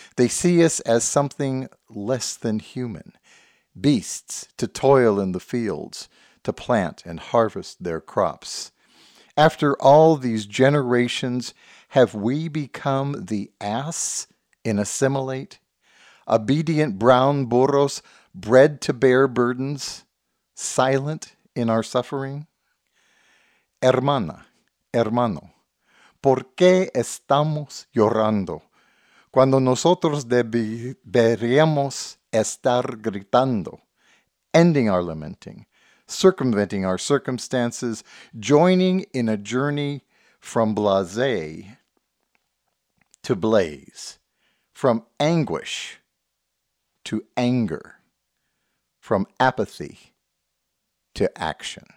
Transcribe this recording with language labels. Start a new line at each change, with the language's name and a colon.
English: They see us as something less than human, beasts to toil in the fields, to plant and harvest their crops. After all these generations, have we become the ass in assimilate? Obedient brown burros bred to bear burdens, silent in our suffering?
Spanish: Hermana, hermano, ¿por qué estamos llorando cuando nosotros deberíamos estar gritando?
English: Ending our lamenting, circumventing our circumstances, joining in a journey from blasé to blaze, from anguish to anger, from apathy to action.